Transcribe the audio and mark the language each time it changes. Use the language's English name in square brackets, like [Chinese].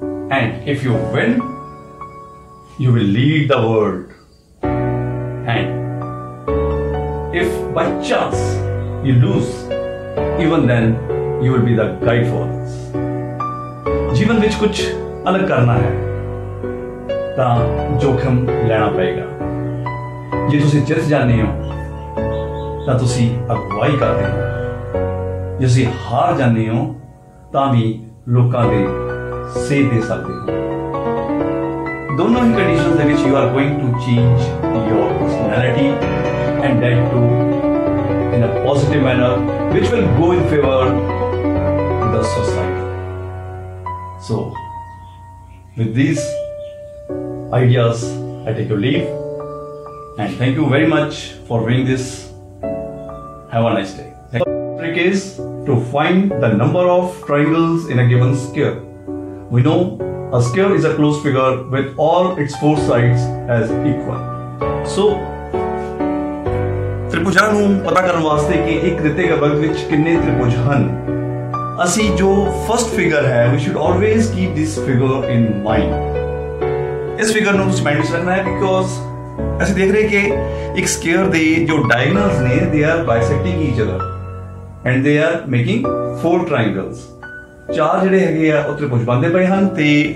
[English] And if you win, you will lead the world. And if by chance you lose, even then you will be the guide for others. [Punjabi] Jeevan vich kuch alag karna hai. ਜੋਖਮ ਲੈਣਾ ਪਏਗਾ ਜੇ ਤੁਸੀਂ ਜਿੱਤ ਜਾਂਦੇ ਹੋ ਤਾਂ ਤੁਸੀਂ ਅਗਵਾਈ ਕਰਦੇ ਹੋ ਜੇ ਤੁਸੀਂ ਹਾਰ ਜਾਂਦੇ ਹੋ ਤਾਂ ਵੀ ਲੋਕਾਂ ਦੇ ਸੇਧ ਦੇ ਸਕਦੇ ਹੋ [English] ਦੋਨੋਂ ਹੀ ਕੰਡੀਸ਼ਨ ਦੇ ਵਿੱਚ you are going to change your personality and that too in a positive manner which will go in favour the society so with these ideas, I take your leave and thank you very much for winning this. Have a nice day. The trick is to find the number of triangles in a given square. We know a square is a closed figure with all its four sides as equal. [Punjabi] So, ਤ੍ਰਿਭੁਜਾਂ ਨੂੰ ਪਤਾ ਕਰਨ ਵਾਸਤੇ ਕਿ ਇੱਕ ਦਿੱਤੇ ਗਏ ਵਰਗ ਵਿੱਚ ਕਿੰਨੇ ਤ੍ਰਿਭੁਜ ਹਨ ਅਸੀਂ ਜੋ ਫਸਟ ਫਿਗਰ ਹੈ [English] we should always keep this figure in mind [Punjabi] ਇਸ ਫਿਗਰ ਨੂੰ ਤੁਸੀਂ ਮਾਈਂਡ ਵਿੱਚ ਰੱਖਣਾ ਹੈ ਬਿਕੋਜ਼ ਅਸੀਂ ਦੇਖ ਰਹੇ ਕਿ ਇੱਕ ਸਕੇਅਰ ਦੇ ਜੋ ਡਾਇਗਨਲਸ ਨੇ [English] they are bisecting each other and they are making four triangles [Punjabi] ਚਾਰ ਜਿਹੜੇ ਹੈਗੇ ਆ ਉਹ ਤ੍ਰਿਭੁਜ ਬਣਦੇ ਪਏ ਹਨ ਅਤੇ